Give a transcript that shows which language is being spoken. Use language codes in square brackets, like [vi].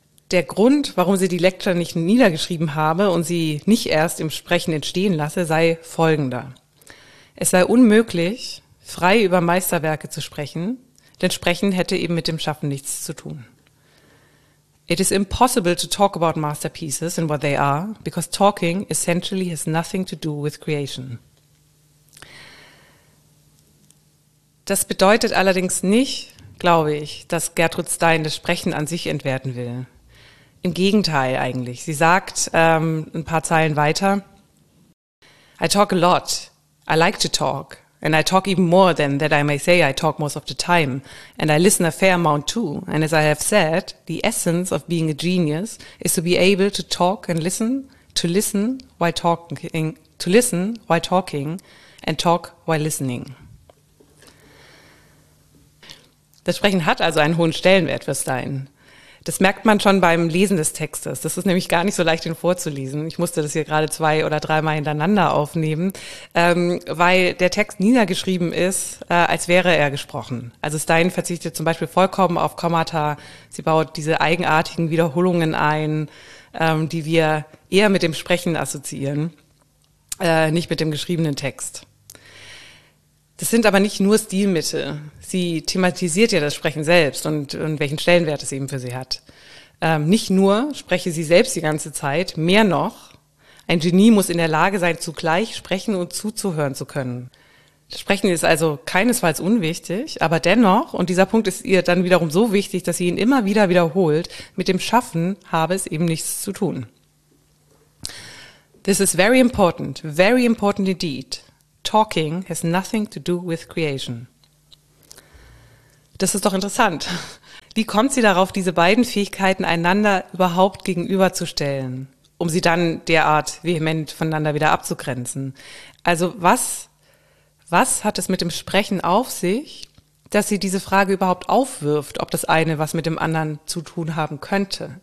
[de] Der Grund, warum sie die Lecture nicht niedergeschrieben habe und sie nicht erst im Sprechen entstehen lasse, sei folgender. Es sei unmöglich, frei über Meisterwerke zu sprechen, denn Sprechen hätte eben mit dem Schaffen nichts zu tun. [en] It is impossible to talk about masterpieces and what they are, because talking essentially has nothing to do with creation. [de] Das bedeutet allerdings nicht, glaube ich, dass Gertrud Stein das Sprechen an sich entwerten will. Im Gegenteil eigentlich. Sie sagt ein paar Zeilen weiter, [en] I talk a lot. I like to talk. And I talk even more than that I may say I talk most of the time. And I listen a fair amount too. And as I have said, the essence of being a genius is to be able to talk and listen, to listen while talking and talk while listening. [de] Das Sprechen hat also einen hohen Stellenwert für Stein. Das merkt man schon beim Lesen des Textes. Das ist nämlich gar nicht so leicht, ihn vorzulesen. Ich musste das hier gerade zwei oder dreimal hintereinander aufnehmen, weil der Text niedergeschrieben ist, als wäre er gesprochen. Also Stein verzichtet zum Beispiel vollkommen auf Kommata. Sie baut diese eigenartigen Wiederholungen ein, die wir eher mit dem Sprechen assoziieren, nicht mit dem geschriebenen Text. Das sind aber nicht nur Stilmittel. Sie thematisiert ja das Sprechen selbst und welchen Stellenwert es eben für sie hat. Nicht nur spreche sie selbst die ganze Zeit, mehr noch, ein Genie muss in der Lage sein, zugleich sprechen und zuzuhören zu können. Das Sprechen ist also keinesfalls unwichtig, aber dennoch, und dieser Punkt ist ihr dann wiederum so wichtig, dass sie ihn immer wieder wiederholt, mit dem Schaffen habe es eben nichts zu tun. [en] This is very important indeed. Talking has nothing to do with creation. [de] Das ist doch interessant. Wie kommt sie darauf, diese beiden Fähigkeiten einander überhaupt gegenüberzustellen, um sie dann derart vehement voneinander wieder abzugrenzen? Also was hat es mit dem Sprechen auf sich, dass sie diese Frage überhaupt aufwirft, ob das eine was mit dem anderen zu tun haben könnte?